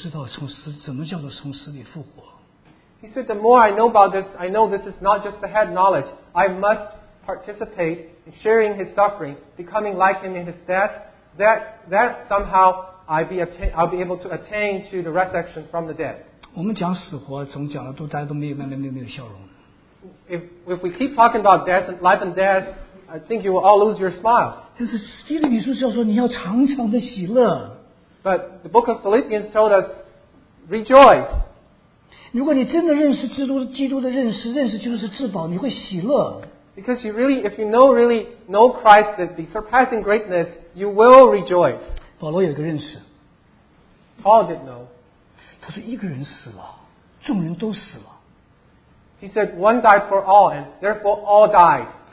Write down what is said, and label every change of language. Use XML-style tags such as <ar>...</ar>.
<zh>他说，我越认识，我就发现到这个认识不仅仅我能够知识上认识，并且我能够跟他同，能够交通他的苦，也能够被磨成他死的样子，这样我就知道从死怎么叫做从死里复活。</zh> <en>He said, the more I know about this, I know this is not just the head knowledge. I must participate in sharing his suffering, becoming like him in his death. That somehow I'll be able to attain to the resurrection from the dead.</en> <zh>我们讲死活，总讲了都大家都没有没有没有笑容。</zh> <en>If we keep talking about death, life and death, I think you will all lose your smile.</en> <zh>但是腓立比书是要说你要常常的喜乐。</zh> <en>But the book of Philippians told us, rejoice.</en> <zh>如果你真的认识基督的认识，认识就是至宝，你会喜乐。</zh> <en>Because you really, if you know really know Christ, the surpassing greatness, you will rejoice.</en> <zh>保罗有个认识。Paul</zh> <en>did know.</en> <zh>他说一个人死了，众人都死了。</zh> <en>He said, "One died for all, and therefore all died."</en>